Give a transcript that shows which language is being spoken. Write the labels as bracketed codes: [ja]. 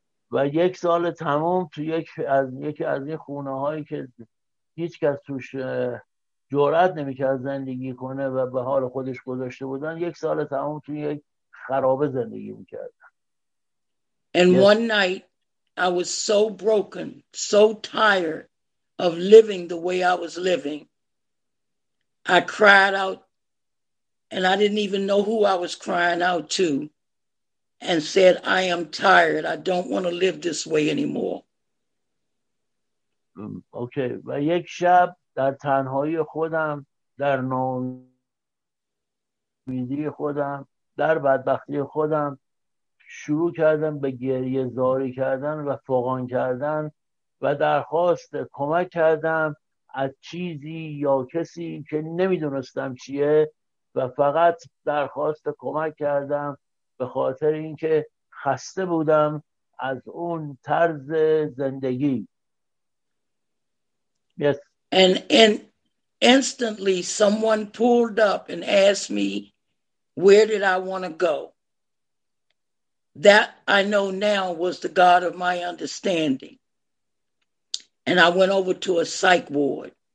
[fa] و یک سال تمام تو یکی از این خونه هایی که هیچ کس توش جرأت نمی‌کرد زندگی کنه و به حال خودش گذاشته بودن، یک سال تمام توی یک خراب زندگی میکردم. [en] And yes. one night I was so broken, so tired of living the way I was living. I cried out and I didn't even know who I was crying out to and said, I am tired. I don't want to live this way anymore. Okay. [fa] و یک شب در تنهایی خودم، در ناامیدی خودم، در بدبختی خودم شروع کردم به گریه زاری کردن و فغان کردن و درخواست کمک کردم از چیزی یا کسی که نمیدونستم چیه و فقط درخواست کمک کردم به خاطر اینکه خسته بودم از اون طرز زندگی. [en] Yes. And instantly someone pulled up and asked me, where did I want to go? That I know now was the God of my understanding. And I went over to a psych ward.